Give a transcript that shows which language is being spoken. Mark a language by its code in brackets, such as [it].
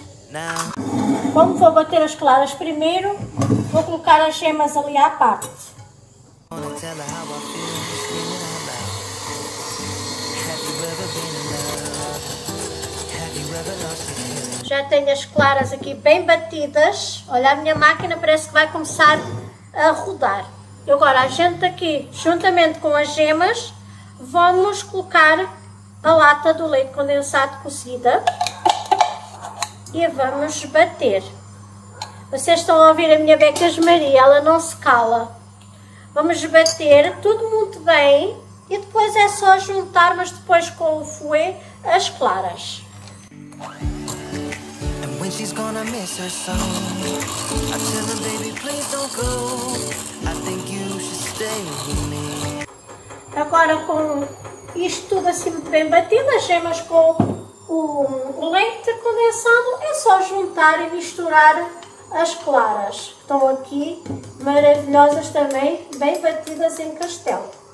[pt] Now. Como vou bater as claras primeiro, vou colocar as gemas ali à parte. [en] Wanna tell her how I feel, screaming out loud. Have you ever been in love? Have you ever lost your feelings? [pt] Já tenho as claras aqui bem batidas. Olha, a minha máquina parece que vai começar a rodar. E agora a gente aqui, juntamente com as gemas, vamos colocar a lata do leite condensado cozida e vamos bater. Vocês estão a ouvir a minha Becas Maria, ela não se cala. Vamos bater tudo muito bem e depois é só juntar, mas depois com o fouet, as claras. [en] She's gonna miss her song. I tell her, baby, please don't go. I think you should stay with me. [pt] Agora com isto tudo assim muito bem batido, as gemas com o leite condensado, é só juntar e misturar as claras. Estão aqui maravilhosas também, bem batidas em castelo.